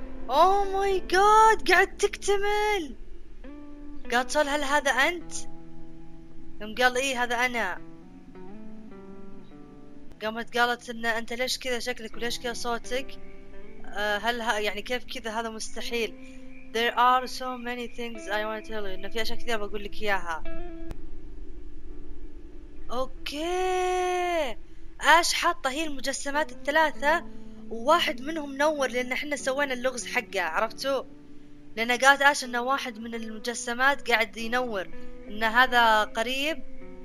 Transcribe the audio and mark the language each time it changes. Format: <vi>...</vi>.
<en>oh my god,</en> <ar>قاعد تكتمل. قالت سول هل هذا أنت؟ يوم قال إيه هذا أنا. قامت قالت ان انت ليش كذا شكلك وليش كذا صوتك؟ هل يعني كيف كذا؟ هذا مستحيل.</ar> <en>There are so many things I want to tell you.</en> <ar>انه في اشياء كثيرة بقول لك اياها. اوكي، اش حاطة هي المجسمات الثلاثة، وواحد منهم نور لان احنا سوينا اللغز حقه، عرفتوا؟ لان قالت اش ان واحد من المجسمات قاعد ينور، ان هذا قريب.</ar>